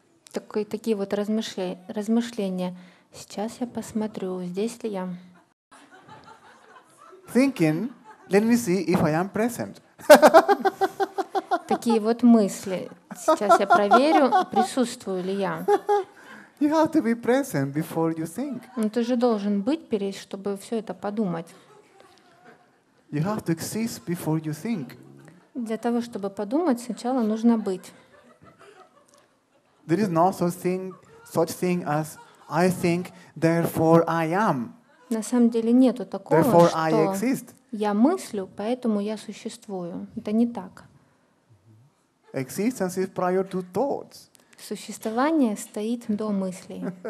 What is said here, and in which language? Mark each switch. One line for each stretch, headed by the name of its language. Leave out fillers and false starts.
Russian: Такие вот размышления. Сейчас я посмотрю, здесь ли я.
English: Thinking, let me see if I am present.
Russian: Такие вот мысли. Сейчас я проверю, присутствую ли я.
English: You have to be present before you think.
Russian: Но ты же должен быть перед, чтобы все это подумать.
English: You have to exist before you think.
Russian: Для того, чтобы подумать, сначала нужно быть.
English: There is no such thing as I think, therefore I am.
Russian: На самом деле нету такого,
English: therefore
Russian: что
English: I exist.
Russian: Я мыслю, поэтому я существую. Это не так.
English: Existence is prior to thoughts.
Russian: Существование стоит до мыслей.